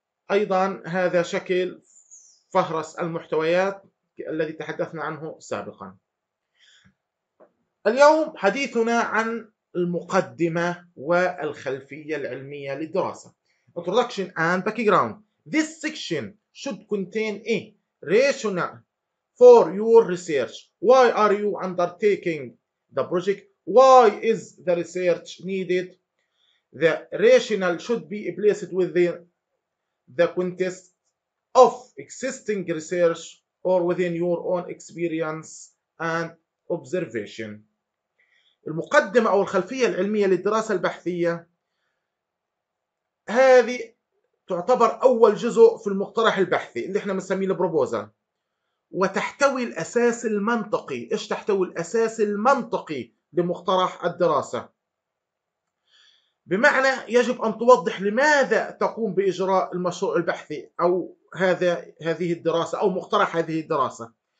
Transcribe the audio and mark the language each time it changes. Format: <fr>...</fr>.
<ar>أيضا هذا شكل فهرس المحتويات الذي تحدثنا عنه سابقا. اليوم حديثنا عن المقدمة والخلفية العلمية للدراسة.</ar> <en>Introduction and background. This section should contain a rationale for your research. Why are you undertaking the project? Why is the research needed? The rationale should be placed within the context of existing research or within your own experience and observation.</en> <ar>المقدمة أو الخلفية العلمية للدراسة البحثية هذه تعتبر أول جزء في المقترح البحثي اللي احنا بنسميه البروبوزال، وتحتوي الأساس المنطقي. إيش تحتوي الأساس المنطقي لمقترح الدراسة؟ بمعنى يجب أن توضح لماذا تقوم بإجراء المشروع البحثي أو هذه الدراسة أو مقترح هذه الدراسة.</ar>